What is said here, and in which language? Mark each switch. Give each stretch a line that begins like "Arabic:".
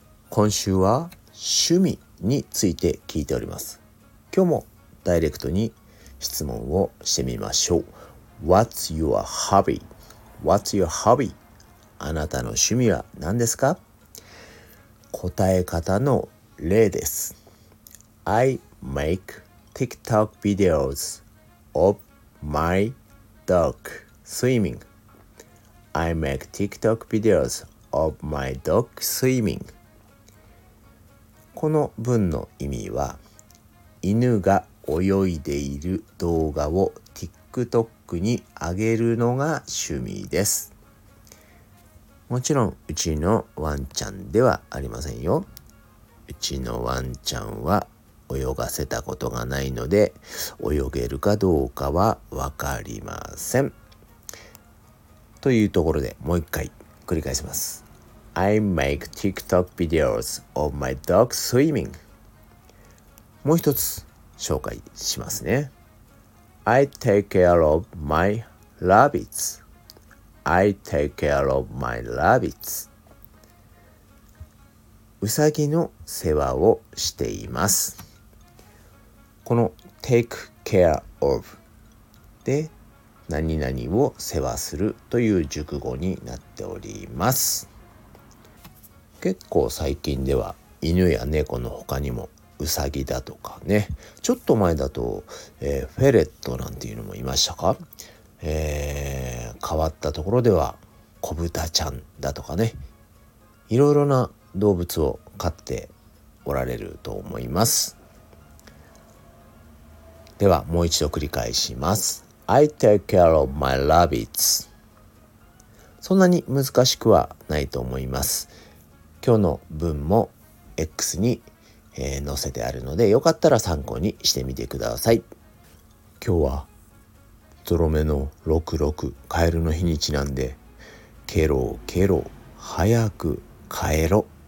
Japanese: 今週は趣味について聞いております。今日もダイレクトに質問をしてみましょう。
English: What's your hobby? What's your hobby?
Japanese: あなたの趣味は何ですか？答え方の例です。
English: I make TikTok videos of my dog swimming. I make TikTok videos of my dog swimming.
Japanese: この文の意味は、犬が泳いでいる動画を TikTok に上げるのが趣味です。もちろんうちのワンちゃんではありませんよ。うちのワンちゃんは泳がせたことがないので、泳げるかどうかはわかりません。というところでもう一回繰り返します。
English: I make TikTok videos of my dog swimming.
Japanese: もう一つ紹介しますね。
English: I take care of my rabbits. I take care of my rabbits.
Japanese: うさぎの世話をしています。この
English: take care of
Japanese: で何々を世話するという熟語になっております。結構最近では犬や猫の他にもウサギだとかね、ちょっと前だと、フェレットなんていうのもいましたか。変わったところでは子豚ちゃんだとかね、いろいろな動物を飼っておられると思います。ではもう一度繰り返します。
English: I take care of my rabbits.
Japanese: そんなに難しくはないと思います。今日の文も X に、載せてあるので、よかったら参考にしてみてください。今日はゾロ目の66、カエルの日にちなんで、ケロケロ、早く帰ろ。